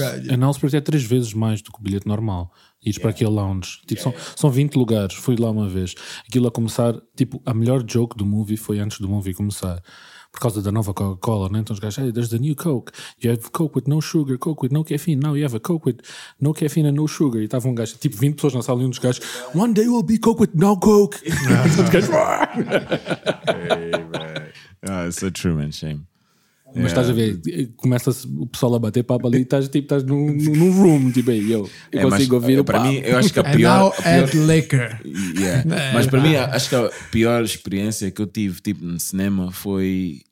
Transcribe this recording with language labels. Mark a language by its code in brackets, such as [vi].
[pt] Em Ellsworth é 3 vezes mais do que o bilhete normal. Ires para aquele lounge. Tipo, são 20 lugares, fui lá uma vez. Aquilo a começar, tipo, a melhor joke do movie foi antes do movie começar. Por causa da nova Coca-Cola, né? Então os gajos, [en] hey, there's the new Coke. You have Coke with no sugar, Coke with no caffeine. Now you have a Coke with no caffeine and no sugar. [pt] E estava um gajo, tipo 20 pessoas na sala e um dos gajos, [en] one day will be Coke with no Coke. Ah, [pt] e os gajos, [en] hey, man. Oh, it's so true, man. Shame. Yeah. [pt] Mas estás a ver, começa o pessoal a bater papo ali e estás tipo, num room, tipo aí, eu consigo ouvir o papo. Para mim, eu acho que a pior... [en] add liquor. Yeah. [pt] Mas para mim, acho que a pior experiência que eu tive tipo, no cinema foi...